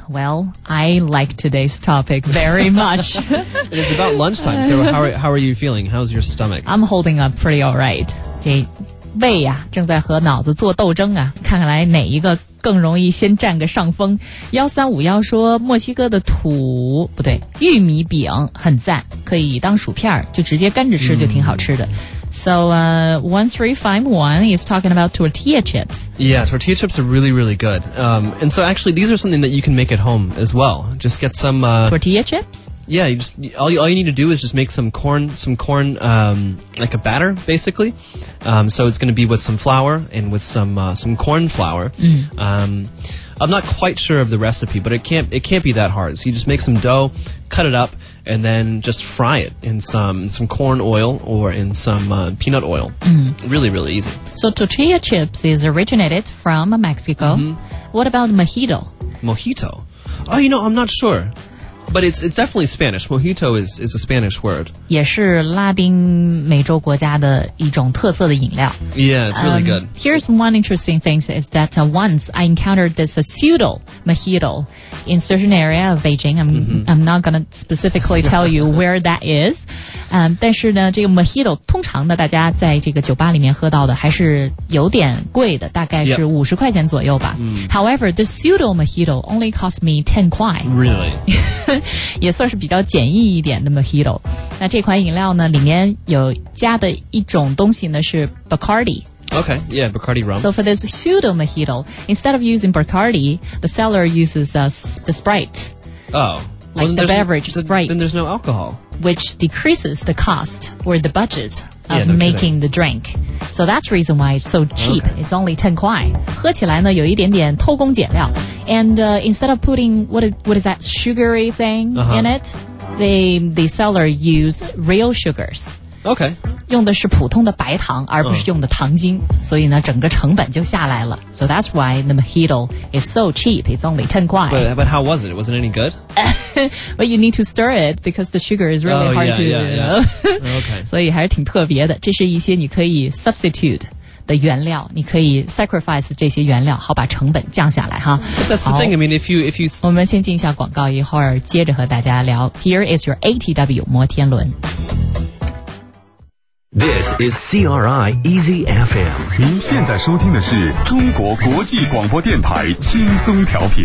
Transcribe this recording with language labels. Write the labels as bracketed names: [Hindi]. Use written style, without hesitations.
[English] Well, I like today's topic very much. And it's about lunchtime, so how are you feeling? How's your stomach? I'm holding up pretty all right. [Chinese] 这胃啊，正在和脑子做斗争啊，看来哪一个更容易先占个上风。 1351说墨西哥的土，不对，玉米饼很赞，可以当薯片，就直接干着吃就挺好吃的。 [English] So, 1351 is talking about tortilla chips. Yeah, tortilla chips are really, really good. And so actually, these are something that you can make at home as well. Just get some, Tortilla chips? Yeah, all you need to do is just make some corn, like a batter, basically. So it's going to be with some flour and with some corn flour. Mm. I'm not quite sure of the recipe, but it can't be that hard. So you just make some dough, cut it up, and then just fry it in some corn oil or in some peanut oil. Mm. Really, really easy. So tortilla chips is originated from Mexico. Mm-hmm. What about mojito? Mojito? Oh, you know, I'm not sure. But it's definitely Spanish. Mojito is a Spanish word. [Chinese] 也是拉丁美洲国家的一种特色的饮料。 [English] Yeah, it's really good. Here's one interesting thing is that once I encountered this pseudo mojito in certain area of Beijing. I'm not going to specifically tell you where that is. [Chinese] 但是呢这个 mojito 通常呢大家在这个酒吧里面喝到的还是有点贵的，大概是50块钱左右吧。 [English] Yep. However, the pseudo mojito only cost me 10 kuai. Really? [Chinese] 也算是比较简易一点的 mojito。那这款饮料呢里面有加的一种东西呢是 Bacardi。 [English] Okay, yeah, Bacardi rum. So for this pseudo mojito, instead of using Bacardi, the seller uses the Sprite. Oh. Like the beverage Sprite. Then there's no alcohol. Which decreases the cost or the budget of making the drink. So that's the reason why it's so cheap. Okay. It's only 10 kuai. [Chinese] 喝起来呢有一点点偷工减料。 [English] And instead of putting, what is that sugary thing in it? The seller use real sugars. Okay. [Chinese] 用的是普通的白糖而不是用的糖精。所以呢整个成本就下来了。 [English] So that's why the mojito is so cheap. It's only 10 kuai. But how was it? Wasn't any good? But you need to stir it because the sugar is really hard to, you know. Okay. [Chinese] 所以还是挺特别的。这是一些你可以 substitute的原料，你可以 sacrifice 这些原料，好把成本降下来哈。 [English] But that's the thing. I mean, if you [Chinese] 我们先进一下广告，一会儿接着和大家聊。 [English] Here is your ATW 摩天轮。 This is CRI Easy FM. [Chinese] 您现在收听的是中国国际广播电台轻松调频